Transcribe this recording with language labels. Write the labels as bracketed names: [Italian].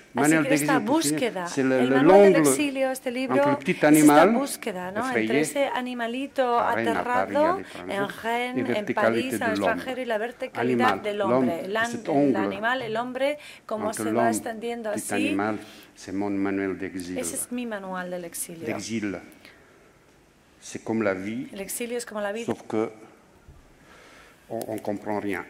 [Spanish] Manuel así que esta búsqueda, el manual del exilio, este libro, animal, es esta búsqueda, ¿no? Entre ese animalito aterrado en Rennes, en París, en extranjero, y la verticalidad del hombre. El hombre, cómo se va extendiendo así. [French] Animal, c'est mon manuel d'exil. [Spanish] Ese es mi manual del exilio. [French] D'exil. C'est comme la vie, [Spanish] el exilio es como la vida. [French] Sauf que on comprend rien.